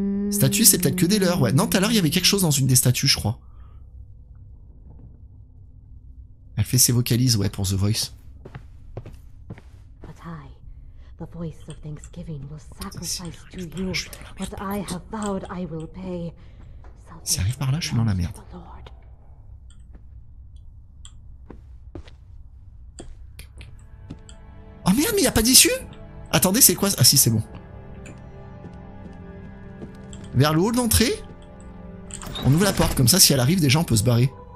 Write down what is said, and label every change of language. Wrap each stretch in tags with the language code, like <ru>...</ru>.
<fr>Statue, c'est peut-être que des leurs, ouais. Non, tout à l'heure, il y avait quelque chose dans une des statues, je crois. Elle fait ses vocalises, ouais, pour The Voice.</fr> <en>But I, the voice of Thanksgiving, will sacrifice to you what I have vowed I will pay.</en> <fr>Si arrive par là, je suis dans la merde. Oh merde, mais il n'y a pas d'issue. Attendez, c'est quoi? Ah si, c'est bon. Vers le hall d'entrée. On ouvre la porte, comme ça si elle arrive déjà on peut se barrer.</fr>